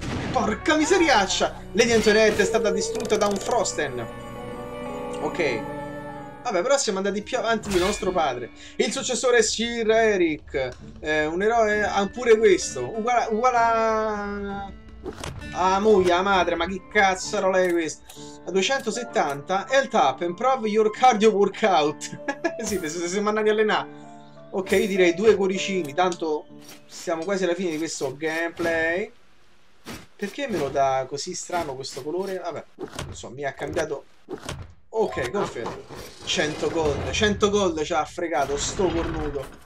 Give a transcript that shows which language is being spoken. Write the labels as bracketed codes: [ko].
[it] Porca miseriaccia. Lady Antoinette è stata distrutta da un Frosten. Ok. Vabbè, però siamo andati più avanti di nostro padre. Il successore è Sir Eric. Un eroe ha pure questo. Uguale a... Ah, muoia, madre, ma che cazzo era lei questa? [en] A 270, health up, improve your cardio workout. [it] Sì, se siamo andati a allenare. Ok, io direi due cuoricini, tanto siamo quasi alla fine di questo gameplay. Perché me lo dà così strano questo colore? Vabbè, non so, mi ha cambiato... Ok, confermo. 100 gold ci ha fregato, sto cornuto.